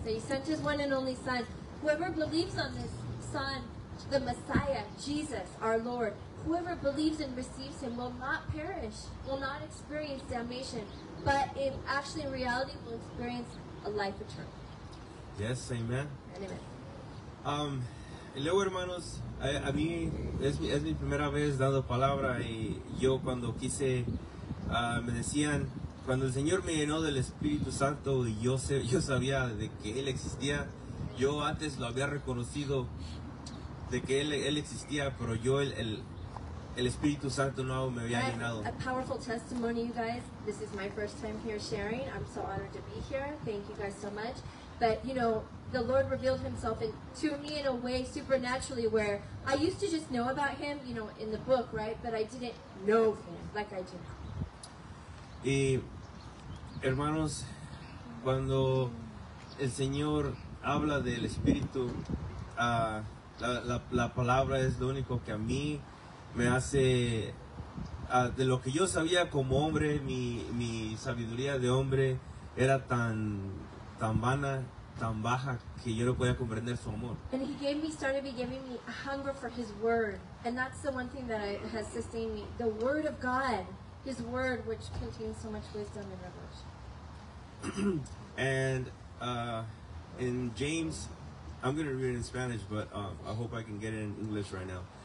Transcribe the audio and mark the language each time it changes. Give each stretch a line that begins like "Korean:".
English: So he sent his one and only Son. Whoever believes on this Son, the Messiah, Jesus, our Lord, whoever believes and receives him will not perish, will not experience damnation, but if actually in reality will experience a life eternal. Yes, amen. And amen.
Spanish: Luego, hermanos, a mí es mi primera vez dando palabra, y yo cuando quise, me decían, cuando el Señor me llenó del Espíritu Santo y yo sabía de que Él existía, yo antes lo había reconocido de que Él existía, pero yo el Espíritu Santo nuevo me había llenado.
English: A powerful testimony, you guys. This is my first time here sharing. I'm so honored to be here. Thank you guys so much. But, you know, the Lord revealed himself to me in a way supernaturally where I used to just know about him, you know, in the book, right? But I didn't know him like I do now.
Spanish: Y, hermanos, cuando el Señor habla del Espíritu, la palabra es lo único que a mí me hace, de lo que yo sabía como hombre, mi sabiduría de hombre era tan vana, tan baja, que yo no podía comprender su amor.
English: And he gave me, started by giving me a hunger for his word, and that's the one thing that has sustained me, the word of God, his word, which contains so much wisdom and revelation. And in James, I'm going to read it in Spanish, but I hope I can get it in English right now.